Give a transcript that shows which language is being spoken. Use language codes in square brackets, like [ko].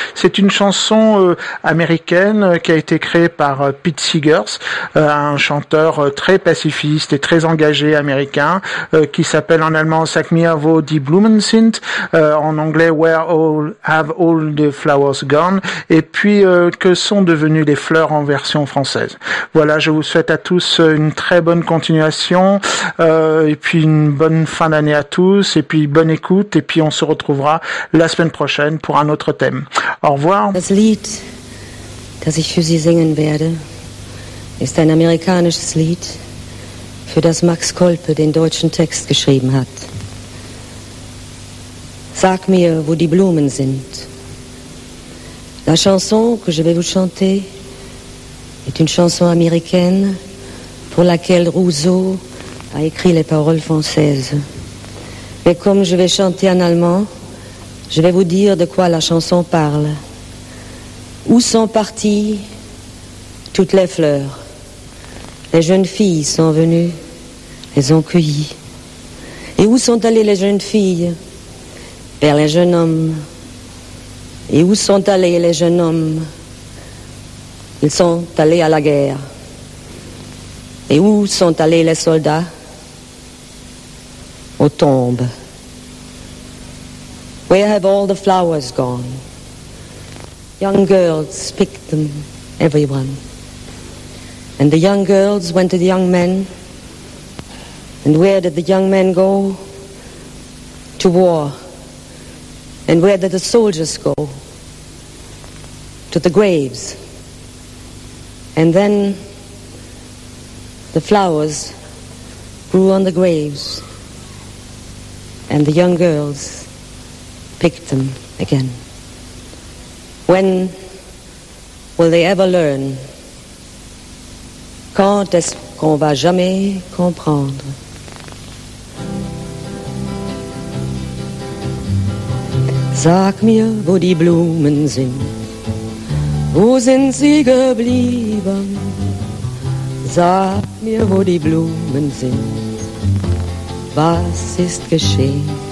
[fr] C'est une chanson américaine qui a été créée par Pete Seegers, un chanteur très pacifiste et très engagé américain, qui s'appelle en allemand [de] Sag mir wo die Blumen sind, [fr] en anglais [en] Where all have all the flowers gone, [fr] et puis que sont devenues les fleurs en version française. Voilà, je vous souhaite à tous une très bonne continuation, et puis une bonne fin d'année à tous, et puis bonne écoute, et puis on se retrouvera la semaine prochaine pour un autre thème. Au revoir. [de] Das Lied, das ich für Sie singen werde, ist ein amerikanisches Lied, für das Max Kolpe den deutschen Text geschrieben hat. Sag mir, wo die Blumen sind. [fr] La chanson que je vais vous chanter est une chanson américaine pour laquelle Rousseau a écrit les paroles françaises. Mais comme je vais chanter en allemand, je vais vous dire de quoi la chanson parle. Où sont parties toutes les fleurs? Les jeunes filles sont venues, les ont cueillies. Et où sont allées les jeunes filles? Vers les jeunes hommes. Et où sont allés les jeunes hommes? Ils sont allés à la guerre. Et où sont allés les soldats? Aux tombes. [en] Where have all the flowers gone? Young girls picked them, everyone. And the young girls went to the young men. And where did the young men go? To war. And where did the soldiers go? To the graves. And then the flowers grew on the graves, and the young girls picked them again. When will they ever learn? [fr] Quand est-ce qu'on va jamais comprendre? [de] Sag mir, wo die Blumen sind, wo sind sie geblieben? Sag mir, wo die Blumen sind, was ist geschehen?